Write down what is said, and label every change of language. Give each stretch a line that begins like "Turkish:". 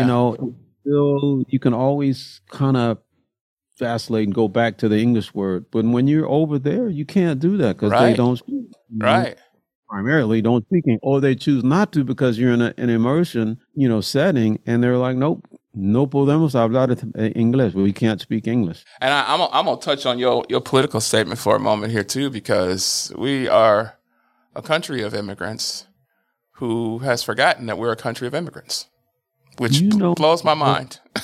English: you know, still you can always kind of vacillate and go back to the English word. But when you're over there, you can't do that because right. They don't speak. Right. Primarily don't speak. Or they choose not to because you're in an immersion, you know, setting. And they're like, nope.
Spanish: No podemos hablar inglés.
English: We can't speak English. And I'm going to touch on your political statement for a moment here, too, because we are a country of immigrants who has forgotten that we're a country of immigrants, which blows my mind.